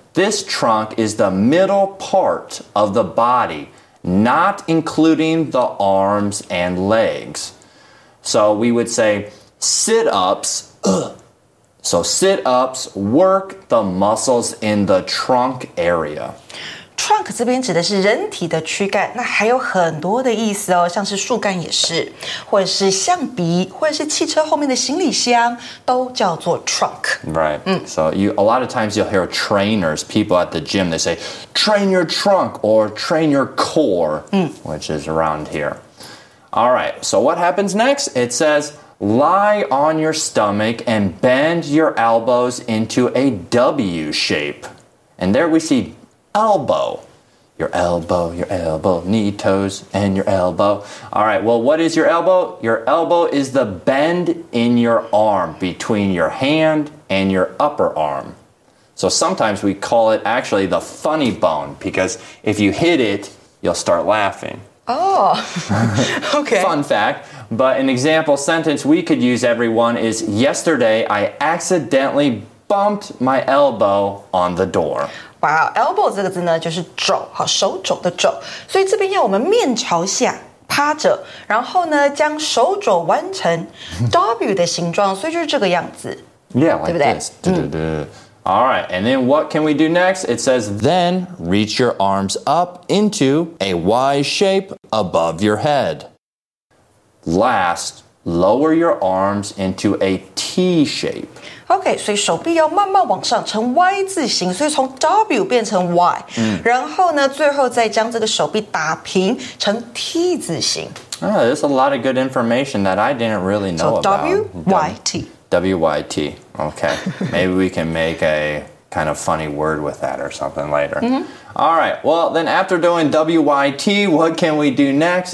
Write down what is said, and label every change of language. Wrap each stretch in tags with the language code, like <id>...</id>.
<en>This trunk is the middle part of the body, not including the arms and legs. So we would say... Sit-ups work the muscles in the trunk area.</en> <zh>Trunk 这边指的是人体的躯干，那还有很多的意思哦，像是树干也是，或者是橡皮，或者是汽车后面的行李箱，都叫做 trunk.</zh> <en>Right. So a lot of times you'll hear trainers, people at the gym, they say, train your trunk or train your core, which is around here. All right, so what happens next? It says... Lie on your stomach and bend your elbows into a W shape. And there we see elbow. Your elbow, knee, toes, and your elbow. All right, well, what is your elbow? Your elbow is the bend in your arm between your hand and your upper arm. So sometimes we call it actually the funny bone because if you hit it, you'll start laughing. Oh, okay. Fun fact. But an example sentence we could use, everyone, is yesterday I accidentally bumped my elbow on the door.</en> <zh>Wow, elbow 这个字呢就是肘，好，手肘的肘。所以这边要我们面朝下趴着，然后呢将手肘弯成 W 的形状，所以就是这个样子。</zh> <en>Yeah, like</en> <zh>对不对?</zh> <en>this. All right, and then what can we do next? It says, then reach your arms up into a Y shape above your head. Last, lower your arms into a T shape.</en> <zh>Okay, 所以手臂要慢慢往上成 Y 字形，所以从 W 变成 Y，然后呢，最后再将这个手臂打平成 T 字形。</zh> <en>There's a lot of good information that I didn't really know about. W-Y-T. Okay, maybe we can make a kind of funny word with that or something later. All right, well, then after doing W-Y-T, what can we do next?</en>